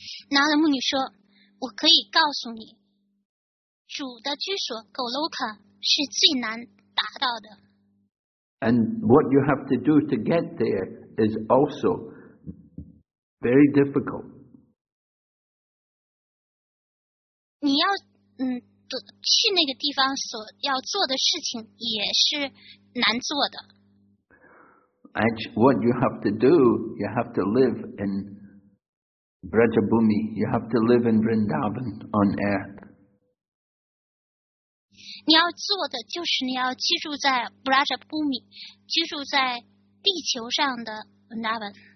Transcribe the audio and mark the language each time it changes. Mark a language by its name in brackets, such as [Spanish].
[Chinese] 拿的牧女说，我可以告诉你，主的居所 Goloka 是最难达到的。 [English] And what you have to do to get there is also very difficult. [Chinese] 你要去那个地方所要做的事情也是难做的。 [English] And what you have to do, you have to live in. Vrajabhumi, you have to live in Vrindavan on earth. [Chinese] 你要做的就是你要居住在 Vrajabhumi, 居住在地球上的 Vrindavan.、